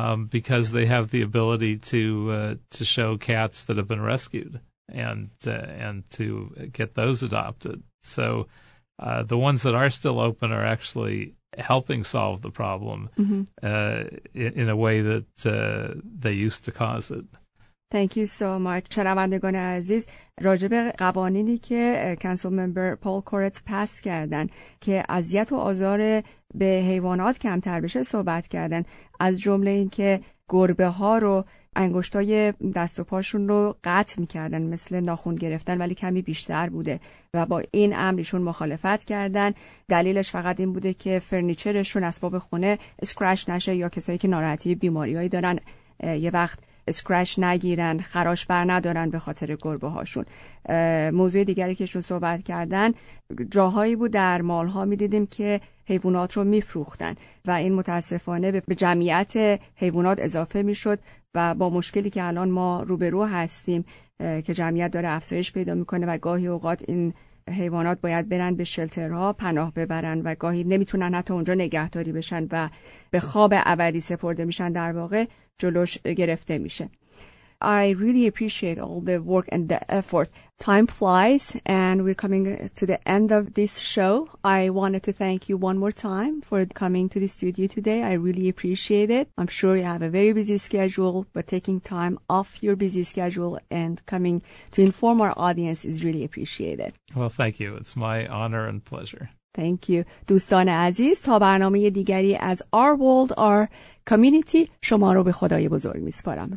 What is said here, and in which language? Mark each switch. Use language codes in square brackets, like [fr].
[en] Because they have the ability to show cats that have been rescued and to get those adopted. So the ones that are still open are actually helping solve the problem, mm-hmm. In a way that they used to cause it. Thank you so much. [fa] شنوندگان عزیز، راجع به قوانینی که کانسل ممبر پال کورتس پاس کردن که اذیت و آزار به حیوانات کمتر بشه صحبت کردن، از جمله این که گربه ها رو انگشتای دست و پاشون رو قطع میکردن مثل ناخون گرفتن، ولی کمی بیشتر بوده و با این امرشون مخالفت کردن. دلیلش فقط این بوده که فرنیچرشون، اسباب خونه اسکرچ نشه، یا کسایی که ناراحتی بیماریایی دارن یه وقت اسکرچ نگیرن، خراش بر ندارن به خاطر گربه هاشون. موضوع دیگری که شون صحبت کردن، جاهایی بود در مال ها می دیدیم که حیوانات رو می فروختن و این متاسفانه به جمعیت حیوانات اضافه می شد و با مشکلی که الان ما روبرو هستیم که جمعیت داره افزایش پیدا می کنه و گاهی اوقات این حیوانات باید برن به شلترها پناه ببرن و گاهی نمیتونن حتی اونجا نگهداری بشن و به خواب ابدی سپرده میشن، در واقع جلوش گرفته میشه. [en] I really appreciate all the work and the effort. Time flies and we're coming to the end of this show. I wanted to thank you one more time for coming to the studio today. I really appreciate it. I'm sure you have a very busy schedule, but taking time off your busy schedule and coming to inform our audience is really appreciated. Well, thank you. It's my honor and pleasure. Thank you. [fa] دوستان عزیز، تا برنامه دیگری از Our World, Our Community، شما رو به خدای بزرگ میسپارم.